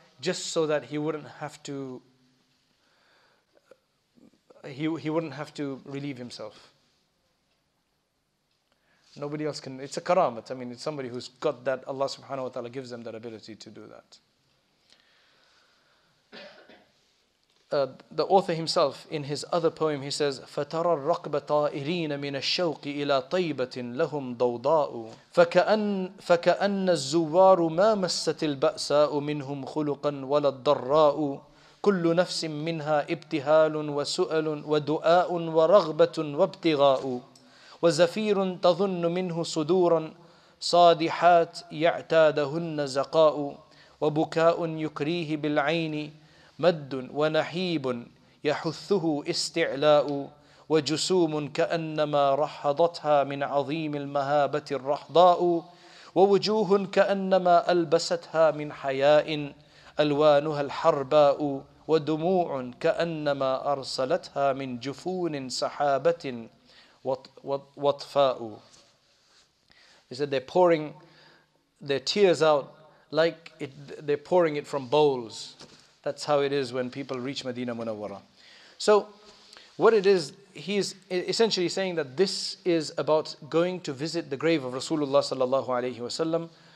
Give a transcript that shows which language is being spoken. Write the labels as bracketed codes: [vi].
[en] Just so that he wouldn't have to relieve himself. Nobody else can. It's a karamat. I mean, it's somebody who's got that. Allah subhanahu wa ta'ala gives them that ability to do that. The author himself, in his other poem, he says, [ar] فَتَرَى الرَّقْبَ طَائِرِينَ مِنَ الشَّوْقِ إِلَىٰ طَيْبَةٍ لَهُمْ ضَوْضَاءُ فَكَأَنَّ الزُّوَّارُ مَا مَسَّتِ الْبَأْسَاءُ مِنْهُمْ خُلُقًا وَلَا الضَّرَّاءُ كُلُّ نَفْسٍ مِّنْهَا إِبْتِهَالٌ وَسُؤَلٌ وَدُعَاءٌ وَرَغْبَةٌ وَابْتِغَاءُ وَزَفِيرٌ تَظُنُّ مِنْهُ صُدُورًا صَادِحَاتْ يَعْتَادَهُنَّ زَقَاءُ وَبُكَاءٌ يُكْرِيهِ بِالْعَيْنِ مد ونحيب يحثه استعلاء وجسوم كأنما رحضتها من عظيم المهابة الرحضاء ووجوه كأنما ألبستها من حياء ألوانها الحرباء ودموع كأنما أرسلتها من جفون سحابة وطفاء. [en] He said they're pouring their tears out like they're pouring it from bowls. That's how it is when people reach Medina Munawwara. So what it is, he is essentially saying that this is about going to visit the grave of Rasulullah sallallahu alayhi wasallam.